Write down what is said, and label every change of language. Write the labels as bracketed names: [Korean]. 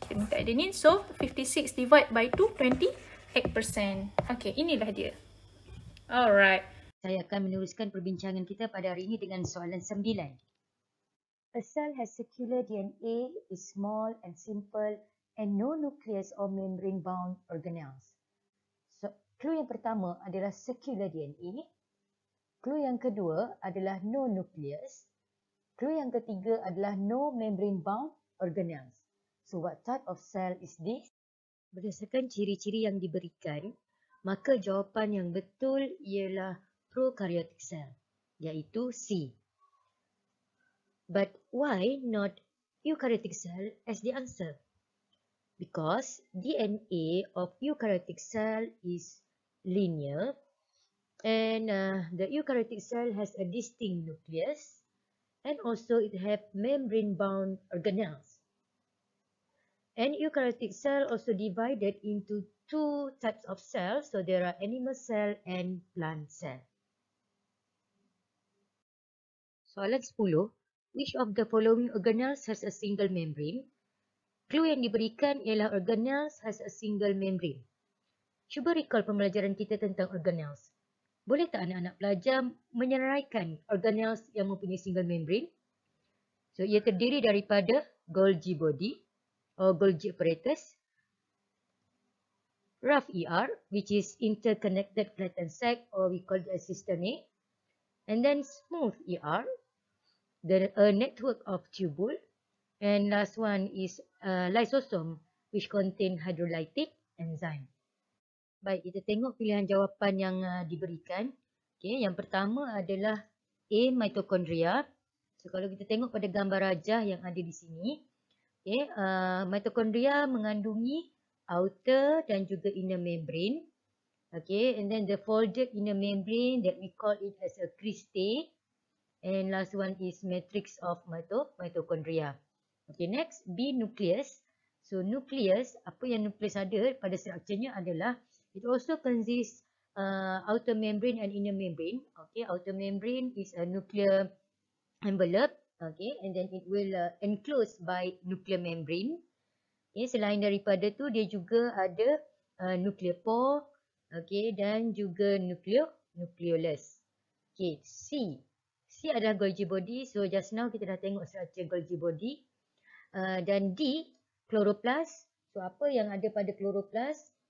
[Malay] Kita minta adenine, [English] so 56 divide by 2, [Malay] 28%. Okay, inilah dia. Alright. Saya akan meneruskan perbincangan kita pada hari ini dengan soalan 9. [English] A cell has circular DNA, is small and simple, and no nucleus or membrane-bound organelles. [Malay] So, clue yang pertama adalah circular DNA. Clue yang kedua adalah no nucleus. Clue yang ketiga adalah no membrane-bound organelles. [English] So, what type of cell is this? [Malay] Berdasarkan ciri-ciri yang diberikan, maka jawapan yang betul ialah prokaryotic cell, iaitu C. [English] But why not eukaryotic cell as the answer? Because DNA of eukaryotic cell is linear, and the eukaryotic cell has a distinct nucleus, and also it have membrane-bound organelles. And eukaryotic cell also divided into 2 types of cells, so there are animal cell and plant cell. [Malay] Soalan 10. [English] Which of the following organelles has a single membrane? [Malay] Clue yang diberikan ialah [English] organelles has a single membrane. [Malay] Cuba recall pembelajaran kita tentang organelles. Boleh tak anak-anak pelajar menyeraikan organelles yang mempunyai [English] single membrane? [Malay] So, ia terdiri daripada [English] Golgi body or Golgi apparatus, rough ER, which is interconnected flattened sac, or we call it a cisternae, and then smooth ER, the a network of tubule, and last one is lysosome, which contain hydrolytic enzyme. [Malay] Baik, kita tengok pilihan jawapan yang diberikan. Okey, yang pertama adalah A, mitokondria. So, kalau kita tengok pada gambar rajah yang ada di sini, okey, mitokondria mengandungi outer dan juga inner membrane. [English] Okey, and then the folded inner membrane that we call it as a cristae. And last one is matrix of mitochondria. Okey, next B, nucleus. So, nucleus, [Malay] apa yang nucleus ada pada structure-nya adalah [English] it also consists outer membrane and inner membrane. Okay, outer membrane is a nuclear envelope. Okay, and then it will enclose by nuclear membrane. [Malay] Okay, selain daripada tu, dia juga ada nuclear pore. Okay, dan juga nucleolus. Okay, C. C adalah Golgi body. So, [English] just now [Malay] kita dah tengok structure Golgi body. Dan D, chloroplast. So, apa yang ada pada chloroplast?